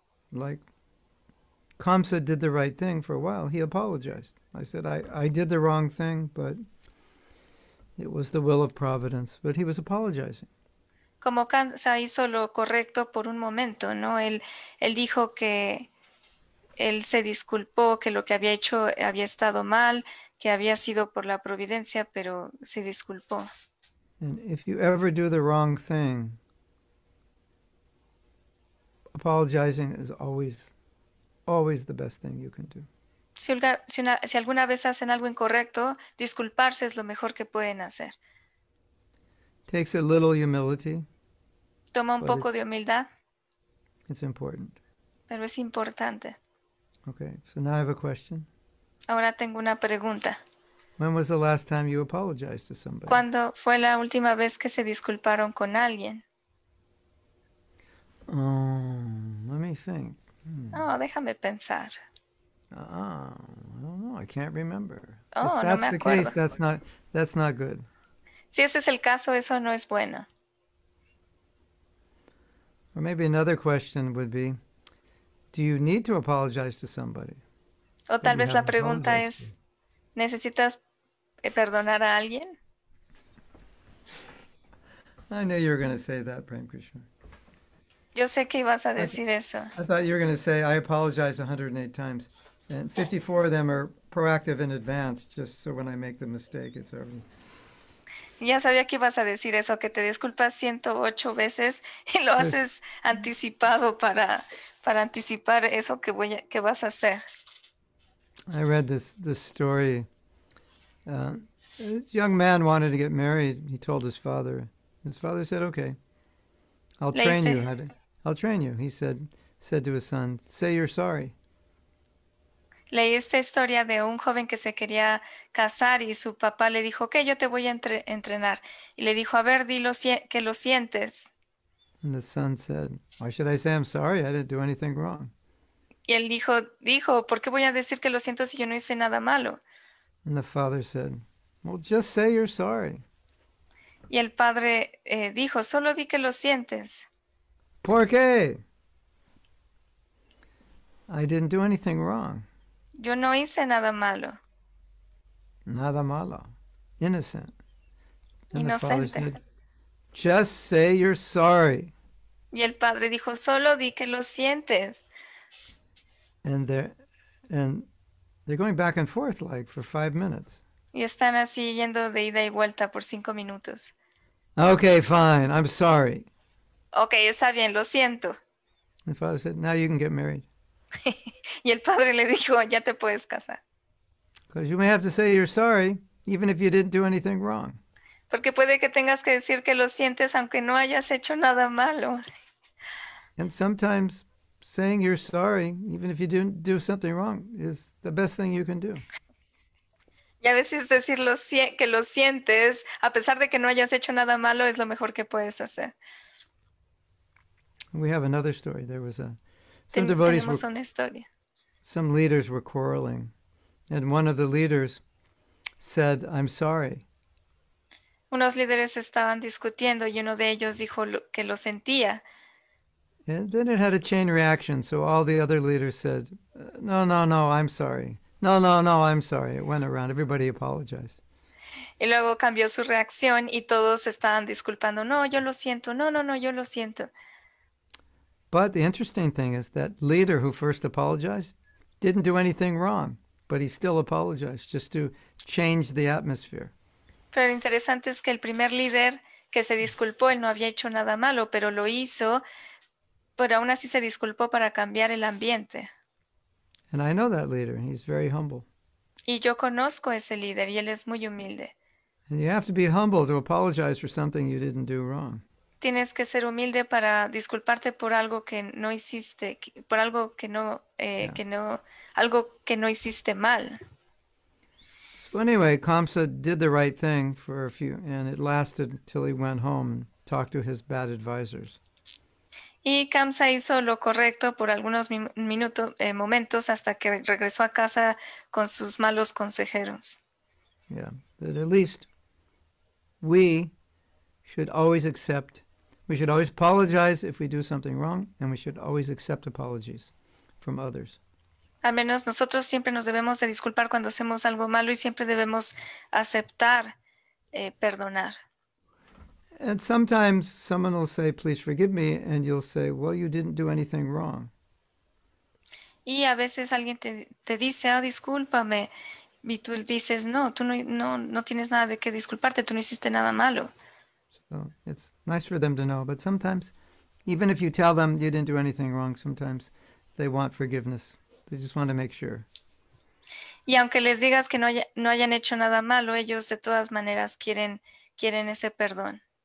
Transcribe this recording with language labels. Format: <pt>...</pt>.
<en>Like, Kamsa did the right thing for a while. He apologized. I said, I did the wrong thing, but it was the will of providence. But he was apologizing.</en> <es>Como Kamsa hizo lo correcto por un momento, ¿no? Él dijo que él se disculpó, que lo que había hecho había estado mal, que había sido por la providencia, pero se disculpó.</es> <en>And if you ever do the wrong thing, apologizing is always the best thing you can do.</en> <es>Si alguna vez hacen algo incorrecto, disculparse es lo mejor que pueden hacer.</es> <en>Takes a little humility.</en> <es>Toma un poco de humildad.</es> <en>It's important.</en> <es>Pero es importante.</es> <en>Okay, so now I have a question.</en> <es>Ahora tengo una pregunta.</es> <en>When was the last time you apologized to somebody?</en> <es>¿Cuándo fue la última vez que se disculparon con alguien?</es> <en>Let me think.</en> <es>Oh, déjame pensar.</es> <en>I don't know. I can't remember. Oh, if that's the case, that's not good.</en> <es>Si ese es el caso, eso no es bueno.</es> <en>Or maybe another question would be, do you need to apologize to somebody?</en> <es>O tal vez la pregunta es, ¿necesitas perdonar a alguien?</es> <en>I knew you were going to say that, Prem Krishna.</en> <es>Yo sé que ibas a decir eso.</es> <en>I thought you were going to say, I apologize 108 times. And 54 of them are proactive in advance, just so when I make the mistake, it's already...</en> <es>Ya sabía que ibas a decir eso, que te disculpas 108 veces y lo haces anticipado para anticipar eso que vas a hacer.</es> <en>I read this story. This young man wanted to get married. He told his father. His father said, okay, I'll train you, he said to his son, say you're sorry.</en> <es>Leí esta historia de un joven que se quería casar y su papá le dijo, okay, yo te voy a entrenar. Y le dijo, a ver, dilo, que lo sientes.</es> <en>And the son said, why should I say I'm sorry? I didn't do anything wrong.</en> <es>Y él dijo, ¿por qué voy a decir que lo siento si yo no hice nada malo?</es> <en>And the father said, well, just say you're sorry.</en> <es>Y el padre dijo, solo di que lo sientes. ¿Por qué?</es> <en>I didn't do anything wrong.</en> <es>Yo no hice nada malo. Nada malo.</es> <en>Innocent. And</en> <es>inocente.</es> <en>The father said, just say you're sorry.</en> <es>Y el padre dijo, solo di que lo sientes.</es> <en>And they're going back and forth like for 5 minutes.</en> <es>Y están así yendo de ida y vuelta por 5 minutos.</es> <en>Okay, fine. I'm sorry.</en> <es>Okay, está bien, lo siento.</es> <en>The father said, now you can get married.</en> <es>Y el padre le dijo, ya te puedes casar.</es> <en>Because you may have to say you're sorry, even if you didn't do anything wrong.</en> <es>Porque puede que tengas que decir que lo sientes aunque no hayas hecho nada malo.</es> <en>And sometimes saying you're sorry, even if you didn't do something wrong, is the best thing you can do.</en> <es>Y a veces decir que lo sientes, a pesar de que no hayas hecho nada malo, es lo mejor que puedes hacer.</es> <en>We have another story. There was some devotees</en> <es>tenemos una historia.</es> <en>Some leaders were quarreling, and one of the leaders said, "I'm sorry."</en> <es>Unos líderes estaban discutiendo y uno de ellos dijo que lo sentía.</es> <en>And then it had a chain reaction, so all the other leaders said, "No, no, no, I'm sorry. No, no, no, I'm sorry." It went around. Everybody apologized.</en> <es>Y luego cambió su reacción y todos estaban disculpando. No, yo lo siento. No, no, no, yo lo siento.</es> <en>But the interesting thing is that leader who first apologized didn't do anything wrong, but he still apologized just to change the atmosphere.</en> <es>Pero lo interesante es que el primer líder que se disculpó, él no había hecho nada malo, pero lo hizo, pero aún así se disculpó para cambiar el ambiente.</es> <en>And I know that leader, he's very humble.</en> <es>Y yo conozco a ese líder y él es muy humilde.</es> <en>And you have to be humble to apologize for something you didn't do wrong.</en> <es>Tienes que ser humilde para disculparte por algo que no hiciste, por algo que no,</es> <en>yeah.</en> <es>que no, algo que no hiciste mal.</es> <en>So anyway, Kamsa did the right thing for a few, and it lasted till he went home and talked to his bad advisors.</en> <es>Y Kamsa hizo lo correcto por algunos momentos hasta que regresó a casa con sus malos consejeros.</es> <en>Yeah, that at least we should always accept. We should always apologize if we do something wrong, and we should always accept apologies from others.</en> <es>Al menos nosotros siempre nos debemos de disculpar cuando hacemos algo malo y siempre debemos aceptar perdonar.</es> <en>And sometimes someone will say, "Please forgive me," and you'll say, "Well, you didn't do anything wrong."</en> <es>Y a veces alguien te dice, "Ah, discúlpame," y tú dices, "No, tú no tienes nada de qué disculparte. Tú no hiciste nada malo."</es> <en>So it's nice for them to know, but sometimes, even if you tell them you didn't do anything wrong, sometimes they want forgiveness. They just want to make sure.</en> <es>Y aunque les digas que no hayan hecho nada malo, ellos de todas maneras quieren ese perdón.</es>